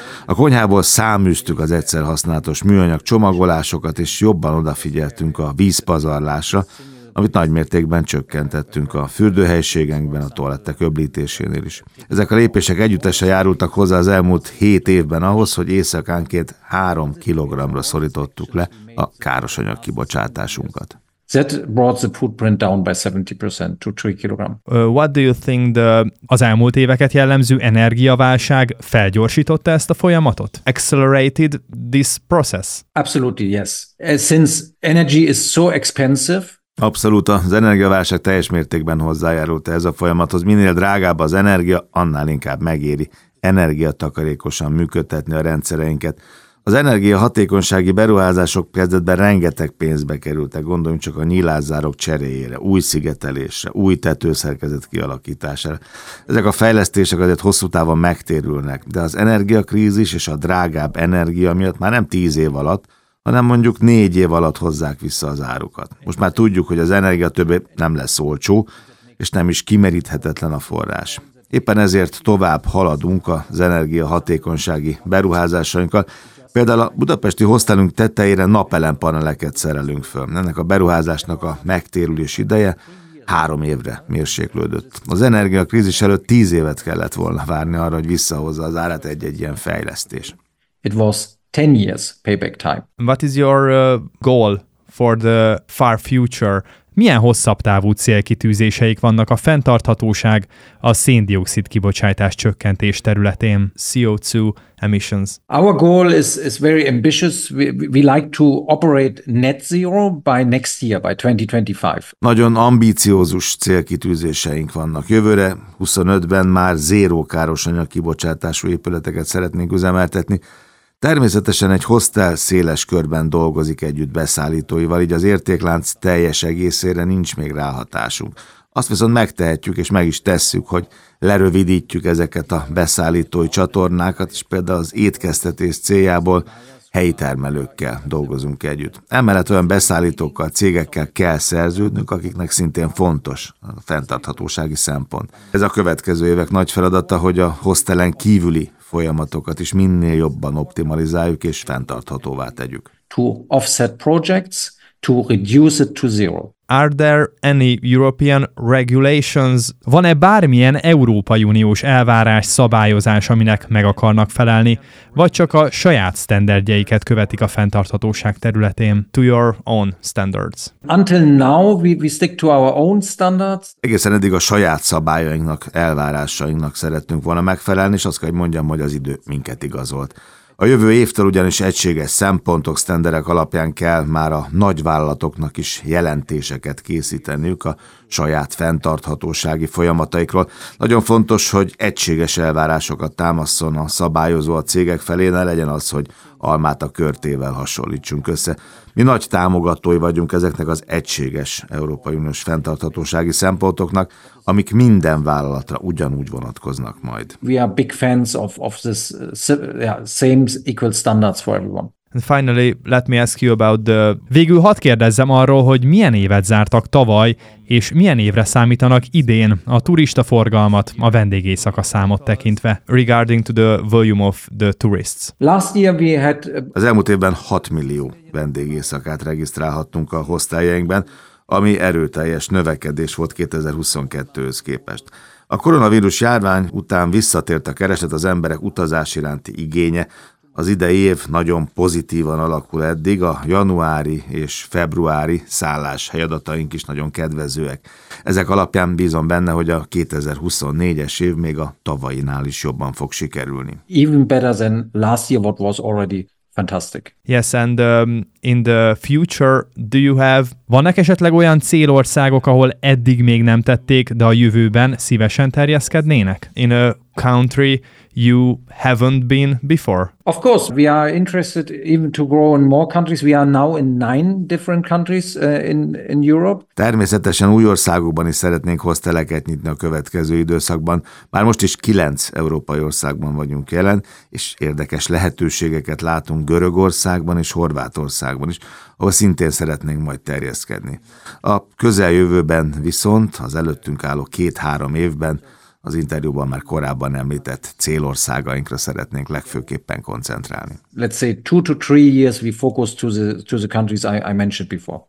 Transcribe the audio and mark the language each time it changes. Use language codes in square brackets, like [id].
[hu] A konyhából száműztük az egyszer használatos műanyag csomagolásokat, és jobban odafigyeltünk a vízpazarlásra, amit nagy mértékben csökkentettünk a fürdőhelységekben, a toalettek öblítésénél is. Ezek a lépések együttesen járultak hozzá az elmúlt 7 évben ahhoz, hogy éjszakánként 3 kilogramra szorítottuk le a károsanyag kibocsátásunkat. [en] That brought the footprint down by 70% to 3 kilogram. What do you think the [hu] az elmúlt éveket jellemző energiaválság felgyorsította ezt a folyamatot? [en] Accelerated this process? Absolutely, yes. Since energy is so expensive. [hu] Abszolút, az energiaválság teljes mértékben hozzájárult ez a folyamathoz. Minél drágább az energia, annál inkább megéri energiatakarékosan működtetni a rendszereinket. Az energiahatékonysági beruházások kezdetben rengeteg pénzbe kerültek, gondoljunk csak a nyílászárok cseréjére, új szigetelésre, új tetőszerkezet kialakítására. Ezek a fejlesztések azért hosszú távon megtérülnek, de az energiakrízis és a drágább energia miatt már nem 10 év alatt, hanem mondjuk 4 év alatt hozzák vissza az árukat. Most már tudjuk, hogy az energia többé nem lesz olcsó, és nem is kimeríthetetlen a forrás. Éppen ezért tovább haladunk az energiahatékonysági beruházásainkkal. Például a budapesti hostelünk tetejére napelempaneleket szerelünk föl. Ennek a beruházásnak a megtérülés ideje 3 évre mérséklődött. Az energiakrízis előtt 10 évet kellett volna várni arra, hogy visszahozza az árat egy-egy ilyen fejlesztés. [en] It was 10 years payback time. What is your goal for the far future? [hu] Milyen hosszabb távú célkitűzéseik vannak a fenntarthatóság a széndioxid kibocsátás csökkentés területén, [en] CO2 emissions? Our goal is very ambitious. We like to operate net zero by next year, by 2025. [hu] Nagyon ambíciózus célkitűzéseink vannak. Jövőre 25-ben már zéró károsanyag kibocsátású épületeket szeretnénk üzemeltetni. Természetesen egy hostel széles körben dolgozik együtt beszállítóival, így az értéklánc teljes egészére nincs még ráhatásunk. Azt viszont megtehetjük és meg is tesszük, hogy lerövidítjük ezeket a beszállítói csatornákat, és például az étkeztetés céljából helyi termelőkkel dolgozunk együtt. Emellett olyan beszállítókkal, cégekkel kell szerződnünk, akiknek szintén fontos a fenntarthatósági szempont. Ez a következő évek nagy feladata, hogy a hostelen kívüli folyamatokat is minél jobban optimalizáljuk és fenntarthatóvá tegyük. [en] To offset projects, to reduce it to zero. Are there any European regulations? [hu] Van-e bármilyen Európai Uniós elvárás, szabályozás, aminek meg akarnak felelni, vagy csak a saját standardjeiket követik a fenntarthatóság területén? [en] To your own standards. Until now we stick to our own standards. [hu] Egészen eddig a saját szabályainknak, elvárásainknak szerettünk volna megfelelni, és azt kell, hogy mondjam, hogy az idő minket igazolt. A jövő évtől ugyanis egységes szempontok, sztenderek alapján kell már a nagyvállalatoknak is jelentéseket készíteniük a saját fenntarthatósági folyamataikról. Nagyon fontos, hogy egységes elvárásokat támaszon a szabályozó a cégek felé, ne legyen az, hogy almát a körtével hasonlítsunk össze. Mi nagy támogatói vagyunk ezeknek az egységes Európai Uniós fenntarthatósági szempontoknak, amik minden vállalatra ugyanúgy vonatkoznak majd. [en] We are big fans of this same equal standards for everyone. And finally, let me ask you about the... [hu] Végül hadd kérdezzem arról, hogy milyen évet zártak tavaly, és milyen évre számítanak idén a turista forgalmat, a vendégészaka számot tekintve, [en] regarding to the volume of the tourists. Last year we had... [hu] Az elmúlt évben 6 millió vendégészakát regisztrálhattunk a hosteljeinkben, ami erőteljes növekedés volt 2022-höz képest. A koronavírus járvány után visszatért a kereslet, az emberek utazás iránti igénye. Az idei év nagyon pozitívan alakul eddig, a januári és februári szálláshely adataink is nagyon kedvezőek. Ezek alapján bízom benne, hogy a 2024-es év még a tavalyinál is jobban fog sikerülni. [en] Even better than last year what was already fantastic. Yes, and in the future, do you have... [hu] Vannak esetleg olyan célországok, ahol eddig még nem tették, de a jövőben szívesen terjeszkednének? [en] In a country you haven't been before? Of course, we are interested even to grow in more countries. We are now in 9 different countries in Europe. [hu] Természetesen új országokban is szeretnénk hosteleket nyitni a következő időszakban. Már most is 9 európai országban vagyunk jelen, és érdekes lehetőségeket látunk Görögországban és Horvátországban is, ahol szintén szeretnénk majd terjeszkedni. A közeljövőben viszont, az előttünk álló 2-3 évben, az interjúban már korábban említett célországainkra szeretnénk legfőképpen koncentrálni. [en] Let's say 2 to 3 years we focus to the countries I mentioned before.